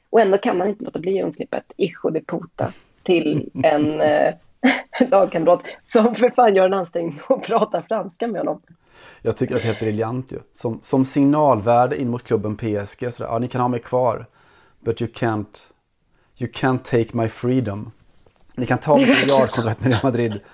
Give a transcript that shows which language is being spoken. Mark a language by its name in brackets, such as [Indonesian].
[Swedish] Och ändå kan man inte låta bli undslippet [Spanish] Ishudde de Puta [Swedish] till en lagkamrat som för fan gör en ansträngning och pratar franska med honom. Jag tycker att det är helt briljant ju. Som signalvärde in mot klubben PSG. Så där, ja, ni kan ha mig kvar. [English] But you can't take my freedom. [Swedish] Ni kan ta mitt miljardkontrakt med Real Madrid.